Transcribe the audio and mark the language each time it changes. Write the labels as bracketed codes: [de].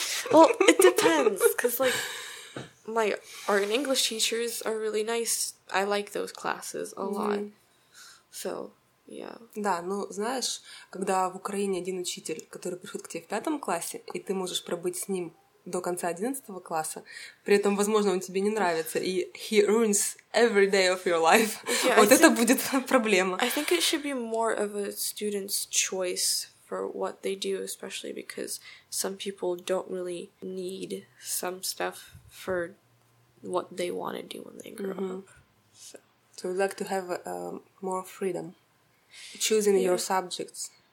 [en] Well, it depends, because, like, my art and English teachers are really nice. I like those classes a lot. So... [ru] Да, ну, знаешь, когда в Украине один учитель, который приходит к тебе в пятом классе, и ты можешь пробыть с ним до конца 11 класса, при этом, возможно, он тебе не нравится, и [en] he ruins every day of your life, [ru] вот это будет проблема. [en] I think it should be more of a student's choice for what they do, especially because some people don't really need some stuff for what they want to do when they grow up. So we'd like to have more freedom. Choosing your subjects,